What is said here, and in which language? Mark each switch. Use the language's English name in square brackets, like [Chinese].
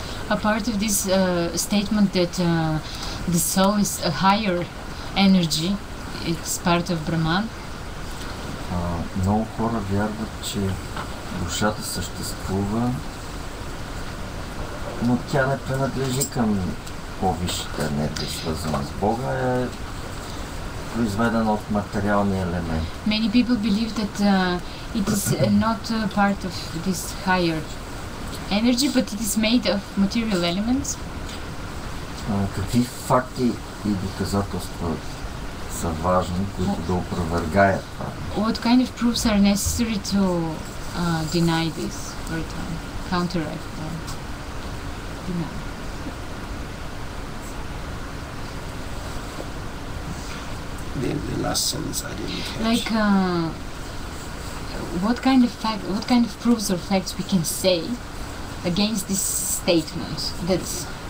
[English] A part of this statement that the soul is a higher energy, it's part of Brahman. [Bulgarian] Много хора вярват, че душата съществува, но тя не принадлежи към по-висшата енергия, свързана с Бога, е произведена от материални елементи. [English] Many people believe that it is not part of this higher energy, but it is made of material elements. [Bulgarian] Какви факти и доказателства са важни, които да опровергаят това? [English] What kind of proofs are necessary to deny this or to counteract them? The last sentence I didn't catch. Like, what kind of proofs or facts we can say against this statement that?